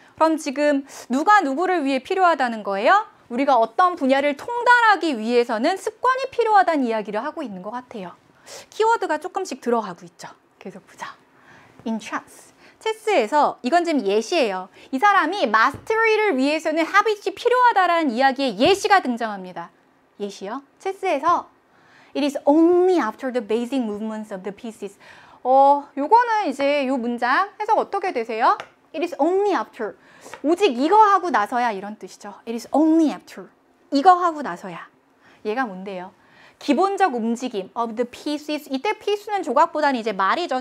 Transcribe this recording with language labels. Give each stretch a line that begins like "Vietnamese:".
Korean: 그럼 지금 누가 누구를 위해 필요하다는 거예요? 우리가 어떤 분야를 통달하기 위해서는 습관이 필요하다는 이야기를 하고 있는 것 같아요. 키워드가 조금씩 들어가고 있죠. 계속 보자. In chess. 체스에서 이건 지금 예시예요. 이 사람이 마스터리를 위해서는 habits이 필요하다라는 이야기에 예시가 등장합니다. 예시요?
English: 체스에서 It is only after the basic movements of the pieces.
Korean: 요거는 이제 요 문장 해석 어떻게 되세요?
English: It is only after.
Korean: 오직 이거 하고 나서야 이런 뜻이죠. It is only after. 이거 하고 나서야. 얘가 뭔데요? 기본적 움직임 of the pieces. 이때 piece는 조각보다는 이제 말이죠.